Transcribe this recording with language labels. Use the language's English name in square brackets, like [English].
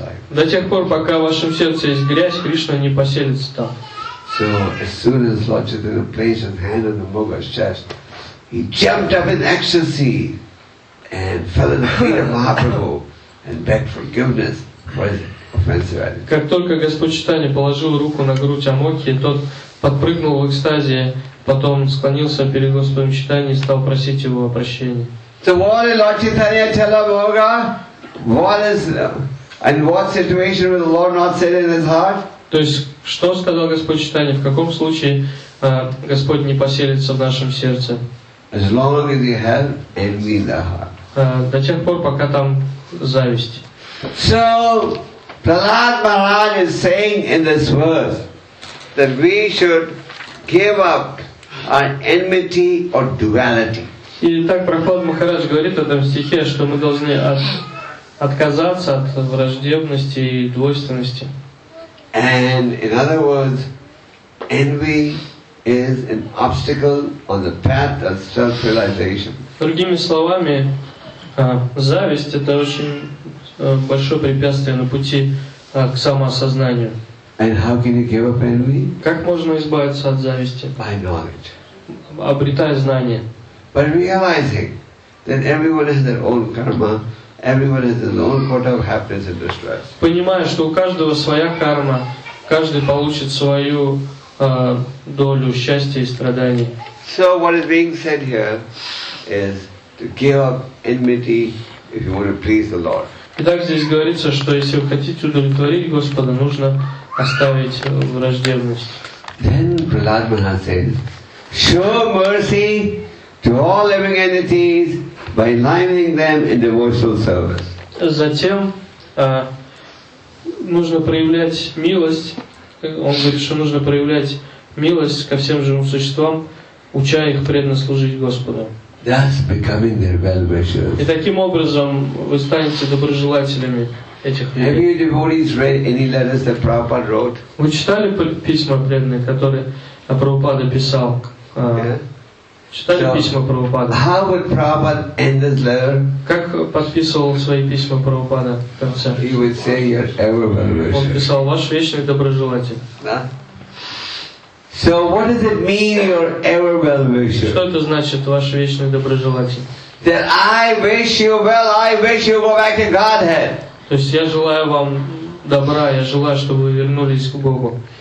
[Russian] До тех пор, пока в вашем сердце есть грязь, Кришна не поселится там. [English] So as soon as Lord Chaitanya placed his hand on the Moga's chest, he jumped up in ecstasy and fell at the feet of Mahaprabhu and begged forgiveness for his offense. [Russian] Как только Господь Чайтанья положил руку на грудь Амокхи, тот подпрыгнул в экстазе, потом склонился перед Господом Чайтанья и стал просить его о прощении. [English] So what did Lord Chaitanya tell Amoga? What is and what situation will the Lord not say in his heart? [Russian] То есть, что сказал Господь Чайтанья, в каком случае Господь не поселится в нашем сердце? [English] As long as you have envy in the heart. [Russian] До тех пор, пока там зависть. [English] So, Prahlad Maharaj is saying in this verse that we should give up our enmity or duality. [Russian] И так Прахлад Махарадж говорит в этом стихе, что мы должны отказаться от враждебности и двойственности. [English] And in other words, envy is an obstacle on the path of self-realization. [Russian] Другими словами, зависть — это очень большое препятствие на пути к самоосознанию. [English] And how can you give up envy? [Russian] Как можно избавиться от зависти? [English] By knowledge. [Russian] Обретая знание. [English] By realizing that everyone has their own karma. Everyone has their own quota of happiness and distress. [Russian] Понимая, что у каждого своя карма, каждый получит свою долю счастья и страданий. [English] So what is being said here is to give up enmity if you want to please the Lord. [Russian] Итак, здесь говорится, что если вы хотите удовлетворить Господа, нужно оставить враждебность. [English] Then Prahlad Maharaj says, show mercy to all living entities by aligning them in devotional service. [Russian] Затем нужно проявлять милость. Он говорит, что нужно проявлять милость ко всем живым существам, уча их преданно служить Господу. [English] That's becoming their well-wishers. [Russian] И таким образом вы станете доброжелателями этих людей. [English] Have you devotees read any letters that Prabhupada wrote? [Russian] Вы читали письма преданные, которые Прабхупада писал? [English] How would Prabhupada end his letter? [Russian] Как подписывал свои письма Прабхупада в конце? [English] He would say, "You're ever well-wisher." [Russian] Он писал: "Ваш вечный доброжелатель." Да. [English] So what does it mean, "You're ever well-wisher"? [Russian] Что это значит, ваш вечный доброжелатель? [English] That I wish you well. I wish you go back to Godhead. [Russian] То есть я желаю вам добра. Я желаю, чтобы вы вернулись к Богу.